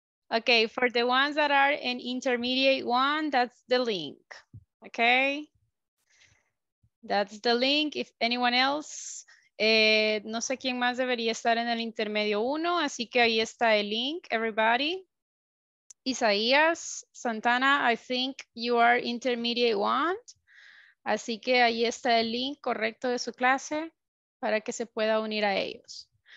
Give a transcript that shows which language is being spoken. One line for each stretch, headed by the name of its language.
English: Okay, for the ones that are in intermediate one, that's the link, okay? That's the link. If anyone else,
Spanish: no sé quién más debería estar en el intermedio uno, así que ahí está el link,
English: everybody. Isaías, Santana, I think you are intermediate one.
Spanish: Así que ahí está el link correcto de su clase para que se pueda unir a ellos.